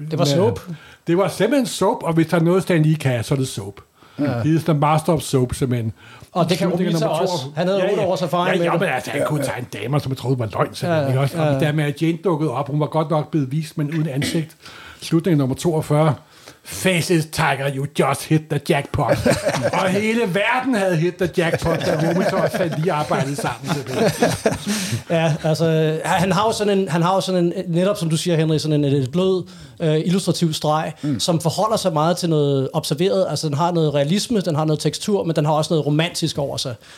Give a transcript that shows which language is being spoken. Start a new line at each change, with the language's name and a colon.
Danish: Det var soap. Det var simpelthen soap, og hvis der er noget, Stan Lee kan, så er det soap. Ja. Det er sådan en
English: master of soap,
Danish: simpelthen. Og det kan Romita også. Han havde 8 års erfaring med det. Men altså, han kunne tage en damer, som jeg troede var løgn, simpelthen. Ja. Og da Mary Jane dukkede op, hun var godt nok blevet vist, men uden ansigt. Slutningen nummer 42.
English: Faces Tiger, you just hit the jackpot.
Danish: Og hele verden havde
English: hit the jackpot,
Danish: da Romita og Stan Lee arbejdede sammen. Ja, altså, han har jo sådan en, netop som du siger, Henrik, sådan en blød, illustrativ streg, som forholder sig meget til noget observeret. Altså, den har noget realisme, den har noget tekstur, men den har også noget romantisk over sig.